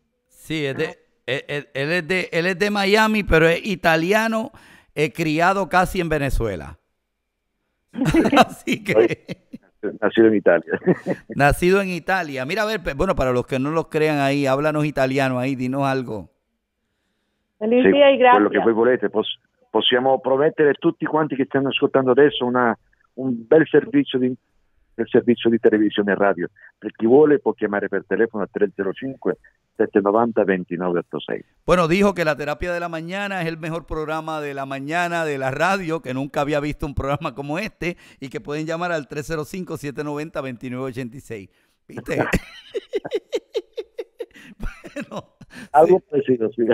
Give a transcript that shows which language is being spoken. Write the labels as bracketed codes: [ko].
[es] Sí, él es de Miami, pero es italiano, criado casi en Venezuela. Así que... Estoy Nacido en Italia. Nacido en Italia. Mira, a ver, bueno, para los que no los crean ahí, háblanos italiano ahí, dinos algo. Feliz día y gracias. [it] Quello che voi volete, possiamo promettere tutti quanti che stanno ascoltando adesso un bel servizio di televisione e radio. Per chi vuole può chiamare per telefono al 305-790-2986. [es] Bueno, dijo que la terapia de la mañana es el mejor programa de la mañana de la radio, que nunca había visto un programa como este, y que pueden llamar al 305-790-2986. ¿Viste? Bueno, algo parecido.